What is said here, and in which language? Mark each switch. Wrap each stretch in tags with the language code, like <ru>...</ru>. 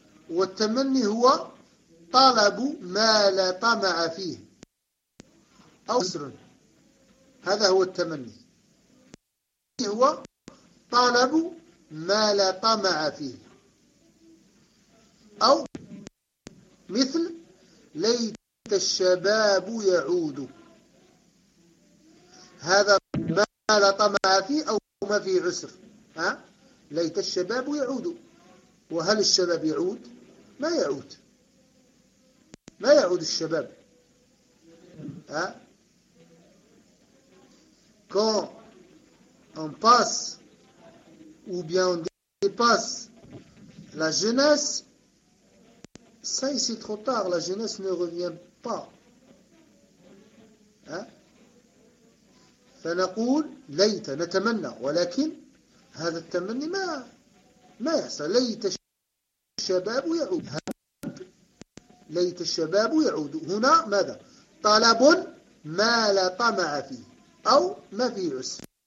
<ar>والتمني هو طلب ما لا طمع فيه أو كسر، هذا هو التمني، هو طلب ما لا طمع فيه أو مثل ليت الشباب يعود، هذا ما لا طمع فيه أو ما في عسر، ها؟ ليت الشباب يعود. وهل الشباب يعود؟ ما يعود، ما يعود الشباب.</ar> <fr>ها؟ Quand on passe ou bien on dépasse la jeunesse, ça c'est trop tard, la jeunesse ne revient pas.</fr> <ar>فنقول ليت، نتمنى، ولكن هذا التمني ما يحصل. ليت الشباب يعود، ليت الشباب يعود، هنا ماذا؟ طلب ما لا طمع فيه أو ما في عسر.</ar>